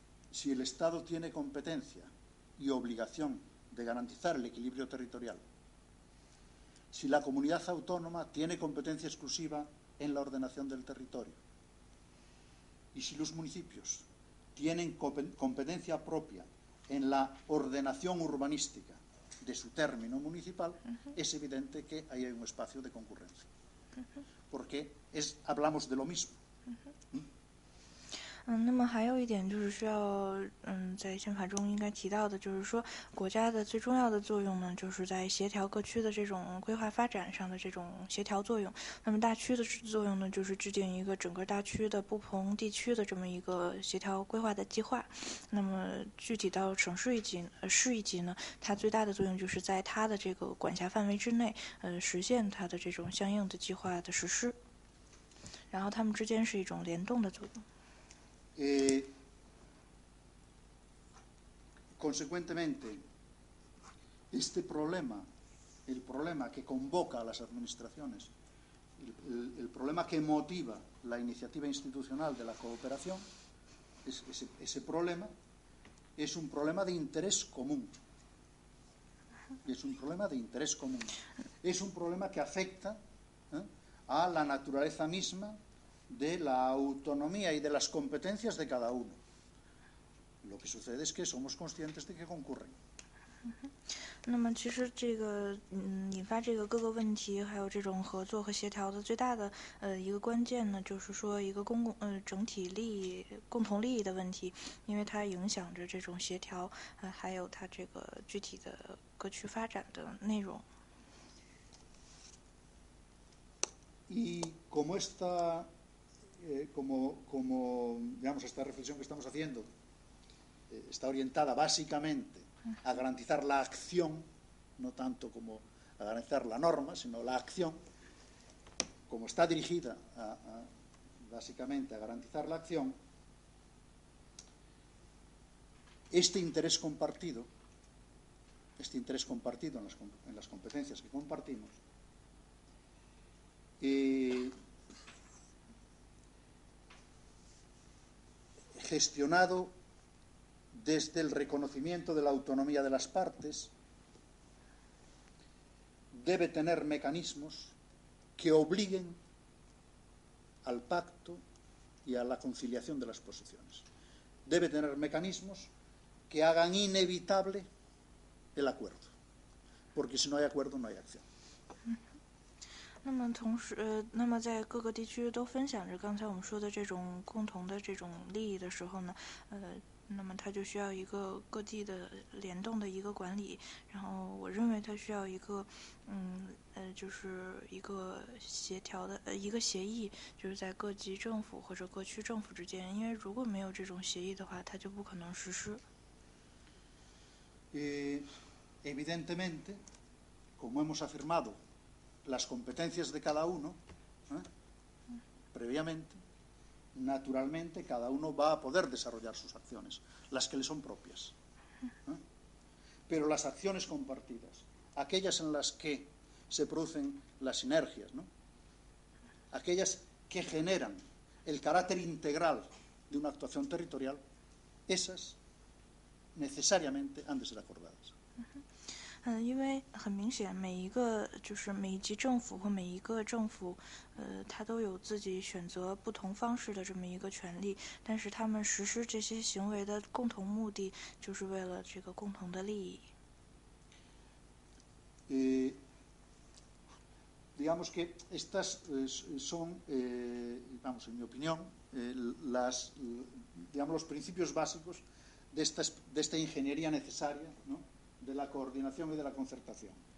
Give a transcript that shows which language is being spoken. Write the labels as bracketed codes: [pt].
[es] Si el Estado tiene competencia y obligación de garantizar el equilibrio territorial, si la comunidad autónoma tiene competencia exclusiva en la ordenación del territorio, y si los municipios tienen competencia propia en la ordenación urbanística de su término municipal, es evidente que ahí hay un espacio de concurrencia, porque es, hablamos de lo mismo. [zh] 那么还有一点就是需要在宪法中应该提到的，就是说国家的最重要的作用呢，就是在协调各区的这种规划发展上的这种协调作用。那么大区的作用呢，就是制定一个整个大区的不同地区的这么一个协调规划的计划。那么具体到省市一级市一级呢，它最大的作用就是在它的这个管辖范围之内实现它的这种相应的计划的实施，然后它们之间是一种联动的作用。 [es] Consecuentemente, este problema, el problema que convoca a las administraciones, el problema que motiva la iniciativa institucional de la cooperación, ese problema es un problema de interés común. Es un problema de interés común. Es un problema que afecta, a la naturaleza misma de la autonomía y de las competencias de cada uno. Lo que sucede es que somos conscientes de que concurren. [zh] 那么其实这个引发这个各个问题还有这种合作和协调的最大的一个关键呢，就是说一个公共整体利益共同利益的问题，因为它影响着这种协调还有它这个具体的各区发展的内容。 [es] Y como estacomo digamos, esta reflexión que estamos haciendo está orientada básicamente a garantizar la acción, no tanto como a garantizar la norma, sino la acción, como está dirigida básicamente a garantizar la acción, este interés compartido en las competencias que compartimos, gestionado desde el reconocimiento de la autonomía de las partes, debe tener mecanismos que obliguen al pacto y a la conciliación de las posiciones. Debe tener mecanismos que hagan inevitable el acuerdo, porque si no hay acuerdo, no hay acción. [zh] 那么同时那么在各个地区都分享着刚才我们说的这种共同的这种利益的时候呢那么它就需要一个各地的联动的一个管理，然后我认为它需要一个就是一个协调的一个协议，就是在各级政府或者各区政府之间，因为如果没有这种协议的话它就不可能实施。 [es] Evidentemente, como hemos afirmado,las competencias de cada uno, previamente, naturalmente, cada uno va a poder desarrollar sus acciones, las que le son propias. Pero las acciones compartidas, aquellas en las que se producen las sinergias, aquellas que generan el carácter integral de una actuación territorial, esas necesariamente han de ser acordadas. [zh] 因为很明显每一个就是每一级政府和每一个政府它都有自己选择不同方式的这么一个权利，但是他们实施这些行为的共同目的就是为了这个共同的利益。 [es] Digamos que estas son vamos, en mi opinión las, digamos, los principios básicos de esta ingeniería necesaria, ¿no? de la coordinación y de la concertación.